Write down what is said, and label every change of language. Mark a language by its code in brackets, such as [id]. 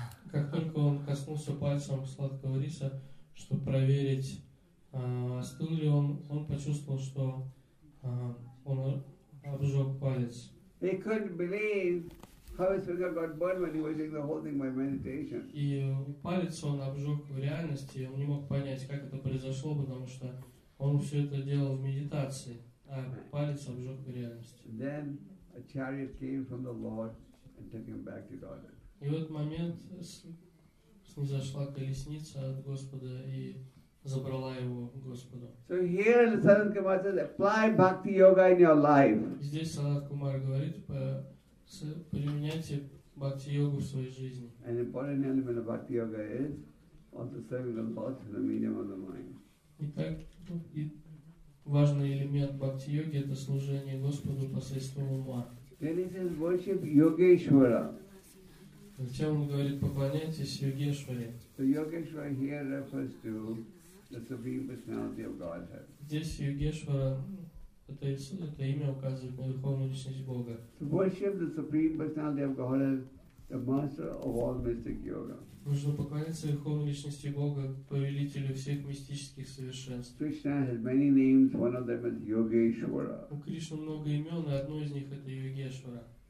[ru] Как только он коснулся пальцем сладкого риса, чтобы проверить, остыл ли он почувствовал, что он обжег палец. [en] He couldn't believe how his finger got burned when he was doing the whole thing by meditation. [ru] И палец он обжег в реальности, он не мог понять, как это произошло, потому что он все это делал в медитации, а палец обжег в реальности. [en] Then a chariot came from the Lord and took him back to Godhead. [ru] И в этот момент снизошла колесница от Господа и забрала его Господу. [en] So here the Sanat Kumar says, apply bhakti yoga in your life. [ru] Здесь Санат Кумар говорит, применяйте бхакти йогу в своей жизни. [en] An important element of bhakti yoga is also serving the Lord through the medium of the mind. [ru] Итак, важный элемент бхакти йоги — это служение Господу посредством ума. [en] Then he says, worship Yogeshwara. [ru] Затем он говорит, поклоняйтесь Йогешваре. [en] So Yogeshwara here refers to the Supreme Personality of Godhead. [ru] Здесь Йогешвара, это имя указывает на Верховную Личность Бога. [en] To worship the Supreme Personality of Godhead, the master of all mystic yoga. [ru] Нужно поклоняться Верховной Личности Бога, повелителю всех мистических совершенств. [en] Krishna has many names, one of them is Yogeshwara. [ru] У Кришны много имен, и одно из них — это Йогешвара.